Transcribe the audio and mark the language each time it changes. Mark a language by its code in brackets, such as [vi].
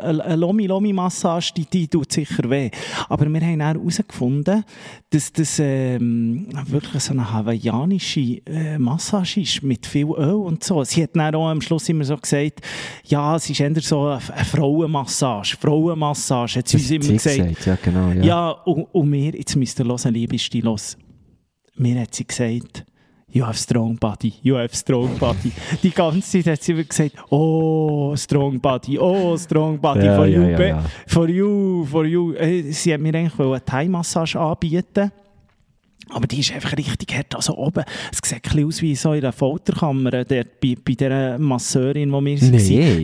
[de] Eine Lomi-Lomi-Massage, die tut sicher weh. Aber wir haben dann herausgefunden, dass das wirklich so eine hawaiianische Massage ist, mit viel Öl und so. Sie hat dann auch am Schluss immer so gesagt, ja, es ist eher so eine Frauenmassage. Frauenmassage, hat sie uns immer gesagt. Ja, genau. Ja, ja, und wir, jetzt müsst ihr hören, liebe Stilos. Mir hat sie gesagt, [en] you have strong body, you have strong body. [de] Die ganze Zeit hat sie immer gesagt, [en] oh, strong body, [de] ja, [en] for, [de] ja, [en] you, [de] ja, ja. [en] For you. [de] Sie hat mir eigentlich eine Thai-Massage anbieten. Aber die ist einfach richtig hart. Also oben, es sieht ein bisschen aus wie so in einer Folterkammer dort bei der Masseurin, wo wir waren. Nee.